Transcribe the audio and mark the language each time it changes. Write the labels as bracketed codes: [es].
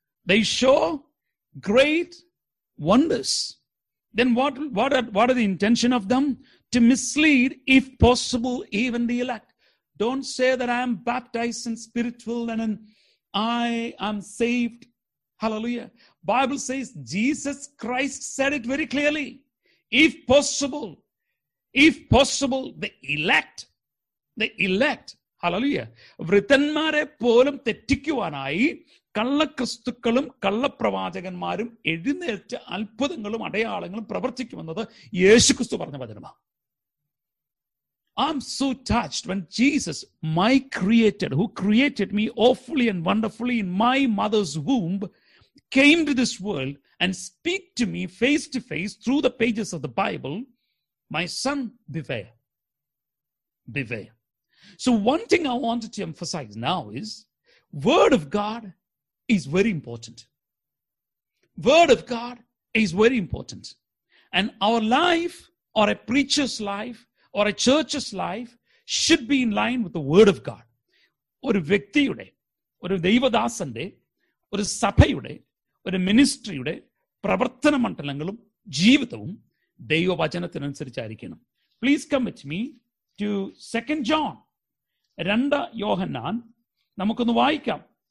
[en] they show great wonders then what are the intention of them to mislead if possible even the elect don't say that I am baptized in spiritual and I am saved hallelujah bible says Jesus Christ said it very clearly If possible, the elect, hallelujah, [ml] Vrithanmare polum tettikkuvanayi, കള്ളക്രിസ്തുക്കളും കള്ളപ്രവാചകന്മാരും എഴുന്നേറ്റ് അത്ഭുതങ്ങളും അടയാളങ്ങളും പ്രവർത്തിക്കുമെന്നത് യേശുക്രിസ്തു പറഞ്ഞ വചനമാണ്. [en] I'm so touched when Jesus, my creator, who created me awfully and wonderfully in my mother's womb, came to this world and speak to me face to face through the pages of the Bible, my son, beware. Beware. So one thing I wanted to emphasize now is, word of God is very important. Word of God is very important. And our life, or a preacher's life, or a church's life, should be in line with the word of God. [ml] ഒരു വ്യക്തിയുടെ, ഒരു ദൈവദാസന്റെ, ഒരു സഭയുടെ, ഒരു മിനിസ്ട്രിയുടെ പ്രവർത്തന മണ്ഡലങ്ങളും ജീവിതവും ദൈവവചനത്തിനനുസരിച്ചായിരിക്കണം. [en] Please come with me to 2 John. 2 [ml] യോഹന്നാൻ നമുക്കൊന്ന് വായിക്കാം.